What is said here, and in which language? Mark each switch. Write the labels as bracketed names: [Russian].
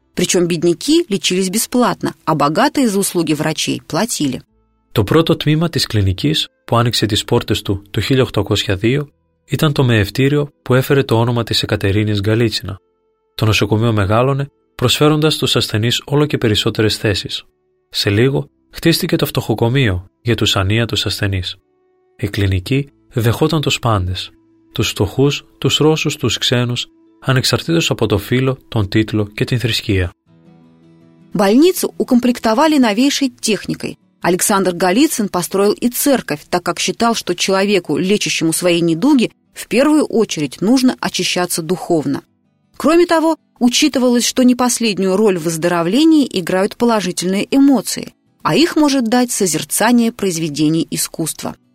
[Russian] Причем бедняки лечились бесплатно, а богатые за услуги врачей платили. [Greek] Το πρώτο τμήμα της κλινικής που άνοιξε τις πόρτες του το 1802 ήταν το μεευτήριο που έφερε το όνομα της Εκατερίνης Γκαλίτσινα. Το νοσοκομείο μεγάλωνε, προσφέροντας στους ασθενείς όλο και περισσότερες θέσεις. Σε λίγο χτίστηκε το φτωχοκομείο για τους ανίατους ασθενείς. Η κλινική δεχόταν τους πάντες, τους φτωχούς, τους Ρώσους, τους ξένους, ανεξαρτήτως από το φύλο, τον τίτλο και την θρησκεία. [Russian] Больницу укомплектовали новейшей техникой. Александр Голицын построил и церковь, так как считал, что человеку, лечащему свои недуги, в первую очередь нужно очищаться духовно. Кроме того, учитывалось, что не последнюю роль в выздоровлении играют положительные эмоции, а их может дать созерцание произведений искусства.